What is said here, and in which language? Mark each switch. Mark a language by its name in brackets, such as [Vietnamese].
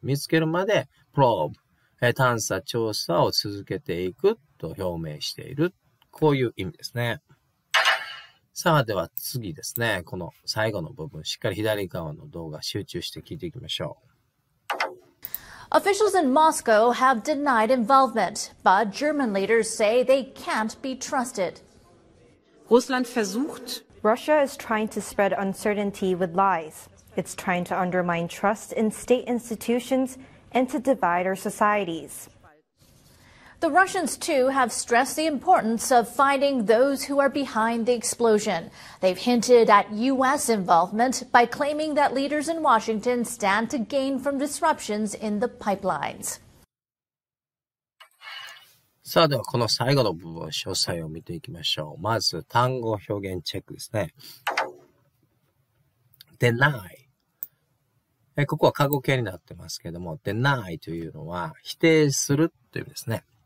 [Japanese] 見つけるまで、probe。探査調査を続けていくと表明している。こういう意味ですね。さあ、では次ですね。この最後の部分、しっかり左側の動画集中して聞いていきましょう。 [English] Officials in Moscow have denied involvement, but German leaders say they can't be trusted. [German] Russland versucht. [English] Russia is trying to spread uncertainty with lies. It's trying to undermine trust in state institutions and to divide our societies. The Russians too have stressed the importance of finding those who are behind the explosion. They've hinted at U.S. involvement by claiming that leaders in Washington stand to gain from disruptions in the pipelines. [Japanese] さあではこの最後の部分、詳細を見ていきましょう。まず単語表現チェックですね。 [English] Deny。 [Japanese] ここは過去形になってますけども、deny というのは否定するという意味ですね。